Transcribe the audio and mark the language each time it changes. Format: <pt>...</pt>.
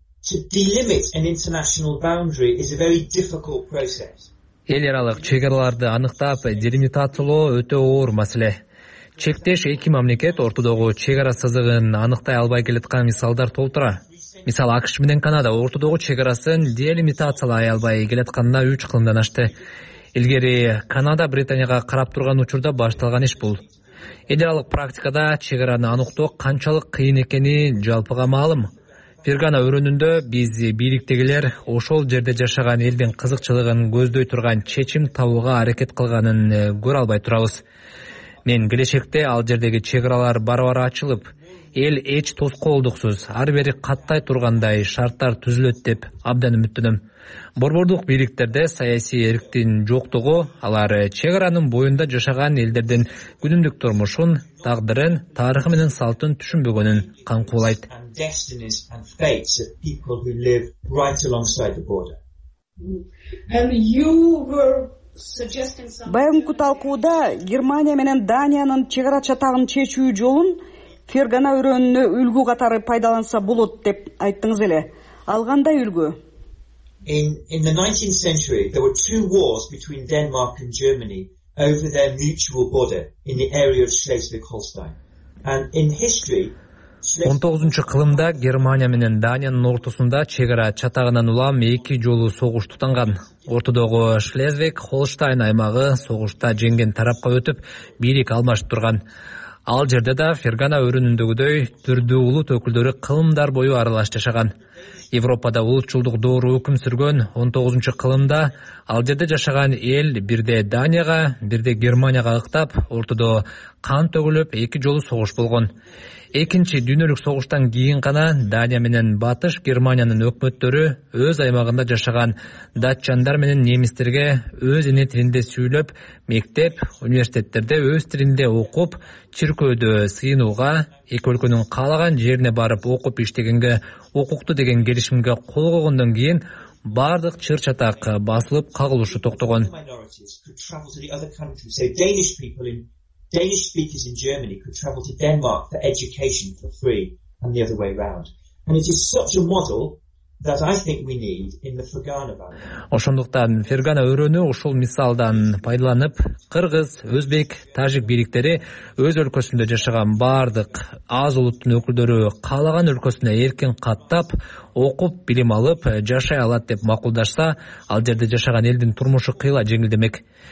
<en>To delimit an international boundary is a very difficult process.</en> <ky>Эл аралык чек араларды аныктап, делимитациялоо өтө оор маселе. Чектеш эки мамлекет ортодогу чек ара сызыгын аныктай албай келеткан мисалдар толтура. Мисалы, АКШ менен Канада ортодогу чек арасын делимитациялай албай келатканына 3 кылымдан ашты. Илгери Канада Британияга карап турган учурда башталган иш бул. Эл аралык практикада чек араны аныктоо канчалык кыйын экени жалпыга маалым. Фергана өрөнүндө биз бийликтегилер ошол жерде жашаган элдин кызыкчылыгын көздөй турган чечим табууга аракет кылганын көрө албай турабыз. Мен келечекте ал жердеги чек аралар барабар ачылып, эл эч тоскоолдуксуз ар бири каттай тургандай шарттар түзүлөт деп абдан үмүттөнөм. Борбордук бийликтерде саясий эрктин жоктугу алар чек аранын боюнда жашаган элдердин күнүмдүк турмушун, тагдырын, тарыхы менен салтын түшүнбөгөнүн каңкуулайт.</ky> <en>Destinies and fates of people who live right alongside the border. And you were suggesting some</en> <ky>Баянку талкууда Германия менен Даниянын чек ара чатагын чечүү жолун Фергана өрөөнүнө үлгү катары пайдаланса болот деп айттыңыз эле. Ал кандай үлгү?</ky> <en>In the 19th century there were two wars between Denmark and Germany over their mutual border in the area of Schleswig-Holstein. And in history</en> <ky>19-чу кылымда Германия менен Даниянын ортосунда чек ара чатагынан улам эки жолу согуш тутанган. Ортодогу Шлезвиг-Холштайн аймагы согушта жеңген тарапка өтүп, бийлик алмашып турган. Ал жерде да Фергана өрүнүндөгүдөй түрдүү улут өкүлдөрү кылымдар бою аралаш жашаган. Европада улутчулдук доору өкүм сүргөн 19-чу кылымда ал жерде жашаган эл бирде Данияга, бирде Германияга ыктап, ортодо кан төгүлүп, эки жолу согуш болгон. Экинчи дүйнөлүк согуштан кийин гана Дания менен Батыш Германиянын өкмөттөрү өз аймагында жашаган датчандар менен немистерге өз эне тилинде сүйлөп, мектеп, университеттерде өз тилинде окуп, чиркөөдө сыйынууга, эки өлкөнүн каалаган жерине барып окуп иштегенге укуктуу деген келишимге кол койгондон кийин бардык чыр чатак басылып кагылышы токтогон.</ky> <en>Danish speakers in Germany could travel to Denmark for education for free and the other way round. And it is such a model that I think we need in the Fergana Valley.</en> <ky>Ошондуктан Фергана өрөөнү ушул мисалдан пайдаланып, кыргыз, өзбек, тажик бийликтери өз өлкөсүндө жашаган бардык аз улуттун өкүлдөрү каалаган өлкөсүнө эркин каттап, окуп, билим алып, жашай алат деп макулдашса, ал жерде жашаган элдин турмушу кыйла жеңилдемек.</ky>